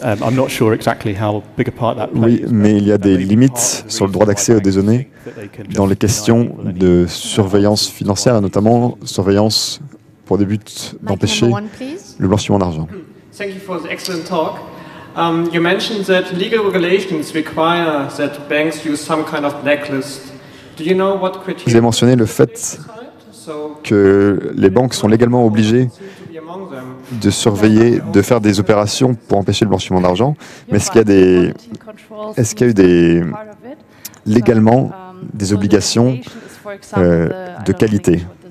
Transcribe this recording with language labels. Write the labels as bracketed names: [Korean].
[English] I'm not sure exactly how big a part that plays. [French] Oui, mais il y a des limites sur le droit d'accès aux données dans les questions de surveillance financière, notamment surveillance pour des buts d'empêcher le blanchiment d'argent. [English] Thank you for the excellent talk. You mentioned that legal regulations require that banks use some kind of blacklist. Do you know what criteria? [French] Vous avez mentionné le fait que les banques sont légalement obligées de surveiller, de faire des opérations pour empêcher le blanchiment d'argent, mais est-ce qu'il y a eu légalement des obligations de qualité?